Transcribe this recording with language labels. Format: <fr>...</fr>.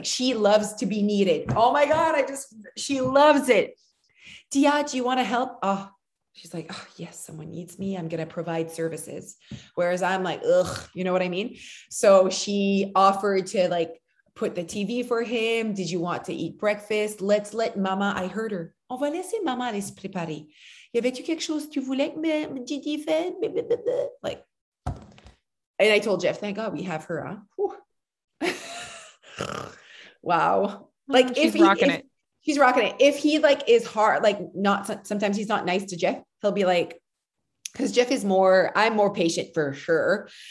<en>Like she loves to be needed. Oh my God, she loves it. Dia, do you want to help? Oh, she's like, oh yes, someone needs me. I'm going to provide services. Whereas I'm like, ugh, you know what I mean? So she offered to like put the TV for him. Did you want to eat breakfast? Let's let mama, I heard her.</en> <fr>On va laisser mama aller se préparer. Y avait-tu quelque chose tu voulais que Didi fait?</fr> <en>Like, and I told Jeff, thank God we have her, huh? Wow. Like he's rocking it. If he like is hard, like not, sometimes he's not nice to Jeff. He'll be like, cause Jeff is more, I'm more patient for sure.</en>